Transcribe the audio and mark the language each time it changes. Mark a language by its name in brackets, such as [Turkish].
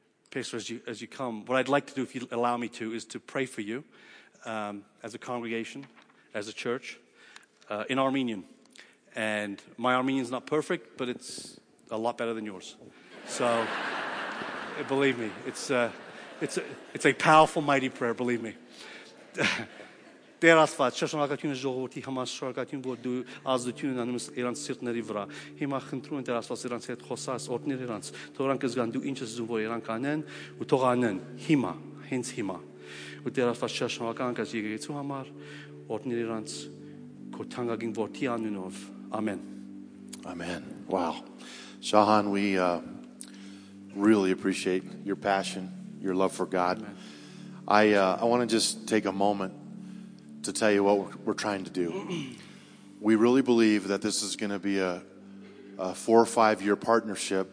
[English] Pastor, as you come, what I'd like to do, if you allow me to, is to pray for you as a congregation, as a church, in Armenian. And my Armenian's not perfect, but it's a lot better than yours. So, believe me, it's a powerful, mighty prayer, believe me. [Armenian] Տեր Աստված, շնորհակալություն ժողովրդի համար, շնորհակալություն, որ դու ազդություն ունես իրանց սիրտների վրա։ Հիմա խնդրում եմ Տեր Աստված, իրանց հետ խոսաս, օրհնել իրանց, թող իրանք զգան դու ինչ ես ուզում, որ իրանք անեն, ու թող անեն հիմա, հենց հիմա։ Ու Տեր Աստված, շնորհակալ ենք եկեղեցու համար, օրհնել իրանց քո թանկագին որդի անունով, ամեն։ Ամեն։ Wow. [English] Shahan, we really appreciate your passion, your love for God. Amen. I want to just take a moment to tell you what we're trying to do. We really believe that this is going to be a 4 or 5 year partnership.